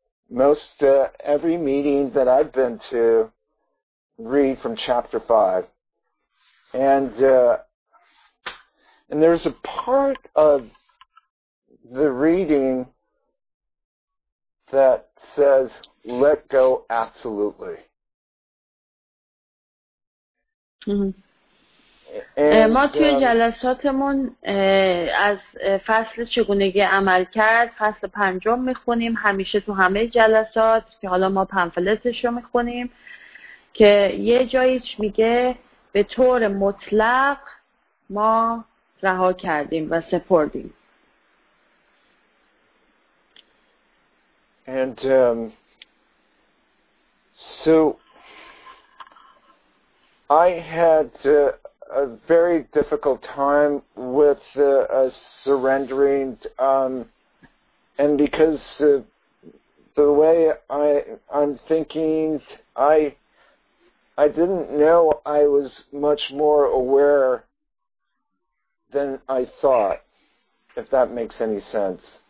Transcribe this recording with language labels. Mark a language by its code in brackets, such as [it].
[en] Most every meeting that I've been to read from chapter 5. And there's a part of the reading that says, let go absolutely. [fa] ما توی جلساتمون از فصل چگونگی عمل کرد فصل پنجم میخونیم، همیشه تو همه جلسات که حالا ما پنفلتش رو میخونیم، که یه جاییش میگه به طور مطلق ما رها کردیم و سپردیم. [en] And so I had a very difficult time with surrendering, and because the way I'm thinking, I didn't know I was much more aware than I thought, if that makes any sense.